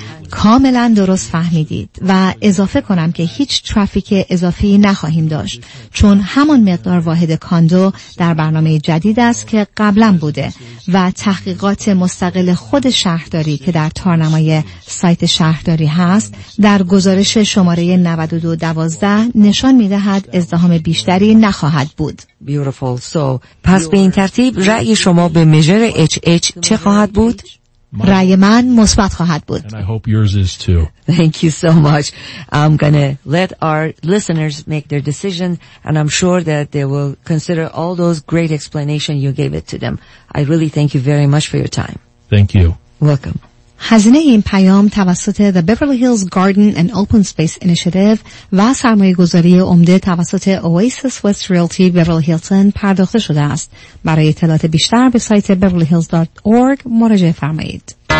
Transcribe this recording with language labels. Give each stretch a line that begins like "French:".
Persian: کاملا درست فهمیدید و اضافه کنم که هیچ ترافیک اضافه‌ای نخواهیم داشت، چون همان مقدار واحد کاندو در برنامه جدید است که قبلا بوده و تحقیقات مستقل خود شهرداری که در تارنمای سایت شهرداری هست در گزارش شماره 9212 نشان می‌دهد ازدحام بیشتری نخواهد بود. پس به این ترتیب رأی شما به میجر اچ اچ چه خواهد بود؟ رأی من مثبت خواهد بود.
English: Thank you so much. I'm going to let our listeners make their decision and I'm sure that they will consider all those great explanation you gave it to them. I really thank you very much for your time. Thank you. Welcome.
Persian: هزینه این پیام توسط The Beverly Hills Garden and Open Space Initiative و سرمایه گذاری عمده توسط Oasis West Realty Beverly Hilton پرداخته شده است. برای اطلاعات بیشتر به سایت beverlyhills.org مراجعه فرمایید.